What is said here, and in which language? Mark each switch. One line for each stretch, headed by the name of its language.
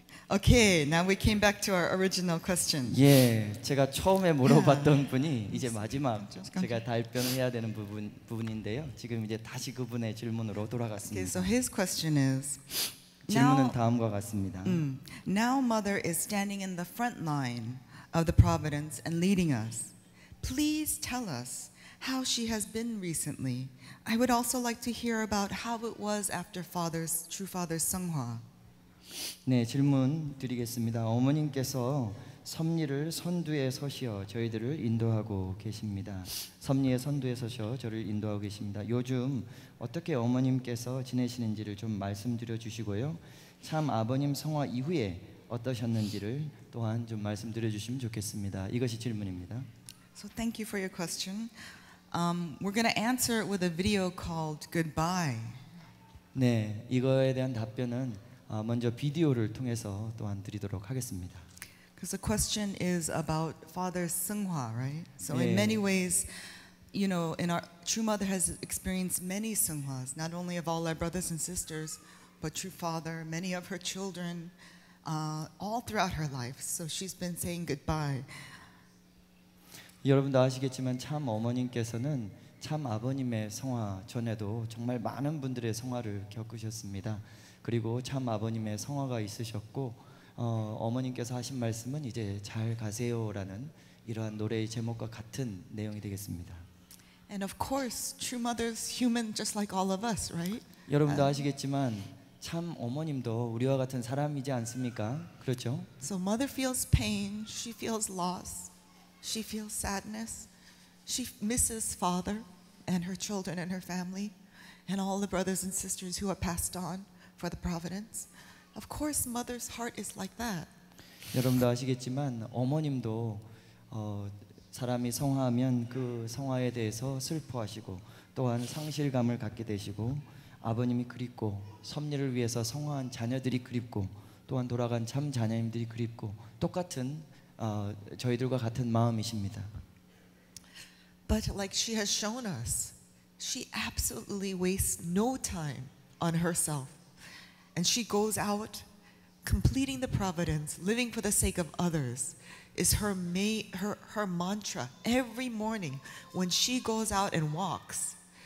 English: Okay, now we came back to our original question.
Korean: 예, 제가 처음에 물어봤던 분이 이제 마지막 제가 답변을 해야 되는 부분인데요. 지금 이제 다시 그분의 질문으로 돌아갔습니다.
English: Okay, so his question is,
Korean: 질문은 다음과 같습니다.
English: Now mother is standing in the front line of the providence and leading us. Please tell us how she has been recently. I would also like to hear about how it was after father's true father Sunghwa.
Korean: 네, 질문 드리겠습니다. 어머님께서 섭리를 선두에 서시어 저희들을 인도하고 계십니다. 섭리의 선두에 서셔 저를 인도하고 계십니다. 요즘 어떻게 어머님께서 지내시는지를 좀 말씀드려 주시고요. 참 아버님 성화 이후에 어떠셨는지를 또한 좀 말씀드려 주시면 좋겠습니다. 이것이 질문입니다.
English: So thank you for your question. We're going to answer it with a video called Goodbye.
Korean: 네, 이거에 대한 답변은 먼저 비디오를 통해서 또한 드리도록 하겠습니다.
English: Because the question is about Father Sunghwa, right? So 네. In many ways, you know, in our True Mother has experienced many Sunghwas, not only of all our brothers and sisters, but True Father, many of her children, all throughout her life. So she's been saying goodbye.
Korean: 여러분도 아시겠지만 참 어머님께서는 참 아버님의 성화 전에도 정말 많은 분들의 성화를 겪으셨습니다. 그리고 참 아버님의 성화가 있으셨고 어머님께서 하신 말씀은 이제 잘 가세요라는 이러한 노래의 제목과 같은 내용이 되겠습니다.
English: And of course, true mothers human just like all of us, right?
Korean: 여러분도 아시겠지만 참 어머님도 우리와 같은 사람이지 않습니까? 그렇죠?
English: So mother feels pain, she feels loss, she feels sadness, she misses father and her children and her family and all the brothers and sisters who are passed on for the providence. Of course, mother's heart is like that.
Korean: 여러분도 아시겠지만 어머님도 사람이 성화하면 그 성화에 대해서 슬퍼하시고 또한 상실감을 갖게 되시고 아버님이 그립고 섭리를 위해서 성화한 자녀들이 그립고 또한 돌아간 참 자녀님들이 그립고 똑같은 저희들과 같은 마음이십니다.
English: But like she has shown us, she absolutely wastes no time on herself. And she goes out completing the providence, living for the sake of others. Is her mantra every morning when she goes out and walks.